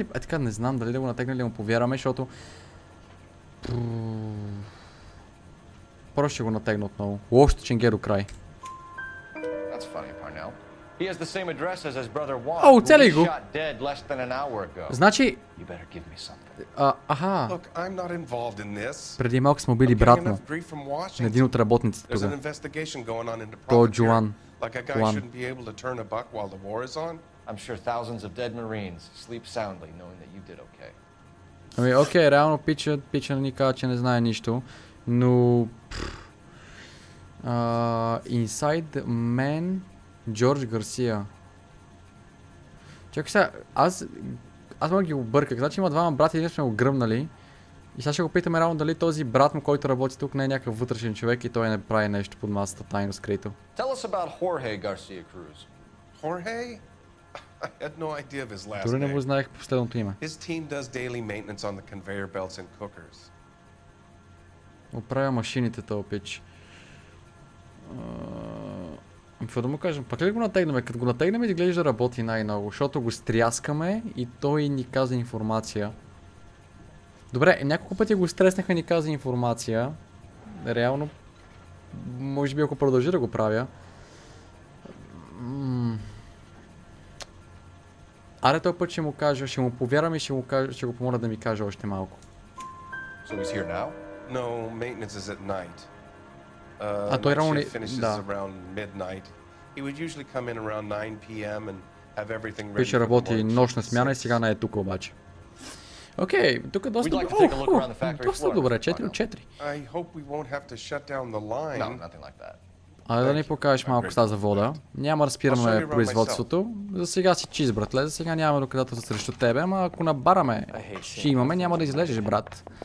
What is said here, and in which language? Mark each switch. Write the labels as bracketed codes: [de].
[bg] Е така, не знам дали да го натегнем или му повярваме, защото... Просто ще го натегна отново. Лошото ченгер до край. [en] That's funny, Parnell. He has the same address as his brother Juan. [bg] О, цели го. [en] Less than an hour ago. [bg] Значи, [en] you better give me something. [bg] Аха. [en] Look, I'm not involved in this. [bg] Преди малко сме били брат му. На един от работниците тук. [en] There's an investigation going on into property. Juan. Like a guy shouldn't be able to turn a buck while the war is on. I'm sure thousands of dead Marines sleep soundly knowing that you did okay. [bg] Ами, окей, реално пича ни казва, че не знае нищо. [en] Но... Inside Man George Garcia. [bg] Чакай сега, аз мога ги обърках. Значи има двама брата и ние сме го гръмнали. И сега ще го питаме равно дали този брат му, който работи тук, не е някакъв вътрешен човек и той не прави нещо под масата, тайно скрито. [en] Tell us about Jorge Garcia Cruz. Jorge? I had no idea of his last name. [bg] Дори не го знаех последното име. [en] His team does daily maintenance on the conveyor belts and cookers. [bg] Оправя машините, тоя пич. Какво да му кажем? Пак ли го натегнем? Като го натегнем и гледаш да работи най-много, защото го стряскаме и той ни каза информация. Добре, няколко пъти го стреснаха и ни каза информация. Реално, може би ако продължи да го правя. Аре този път ще му кажа, ще му повярвам и ще го помоля да ми каже още малко. [en] So he's here now? No, maintenance is at night. [bg] А той рано ли... [en] Да. Around midnight. He would usually come in around 9 p.m. and have everything ready. [bg] Пише работи нощна смяна и сега не е тук обаче. Окей, тук е доста... доста добре, 4-4. [en] I hope we won't have to shut down the line. No, nothing like that. [bg] Айде да ни покажеш малко ста за вода. Няма да спираме производството. За сега си чист, братле. За сега нямаме доказателство срещу тебе, ама ако набараме, ще имаме, няма да излежеш, брат.